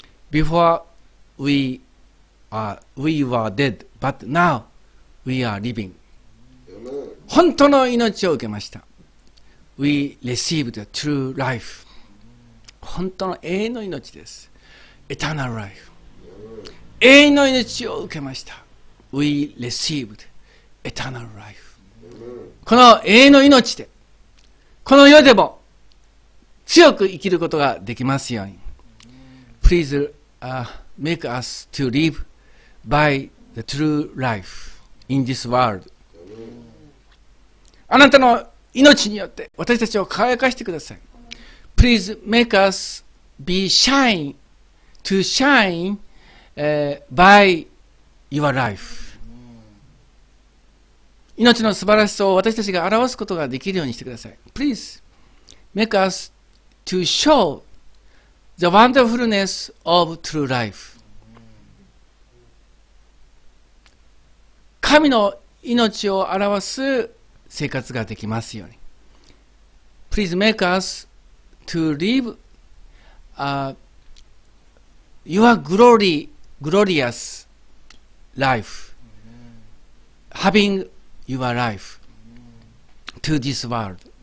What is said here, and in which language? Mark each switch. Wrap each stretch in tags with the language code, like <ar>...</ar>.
<en>Before we were dead, but now we are living.</en> <ja>本当の命を受けました。</ja> <en>We receive the true life.</en> <ja>本当の永遠の命です。</ja> <en>Eternal life.</en> <ja>永遠の命を受けました。</ja> <en>We receive the eternal life.</en> <ja>この永遠の命で、この世でも強く生きることができますように。</ja> <en>Please make us to live by the true life in this world.</en> <ja>あなたの命によって私たちを輝かしてください。</ja> <en>Please make us be shine to shine by your life.</en> <ja>命の素晴らしさを私たちが表すことができるようにしてください。</ja> <en>Please make us to show the wonderfulness of true life.</en> <ja>神の命を表す生活ができますように。</ja> <en>Please make us to live your glory, glorious life, having your life to this world.</en>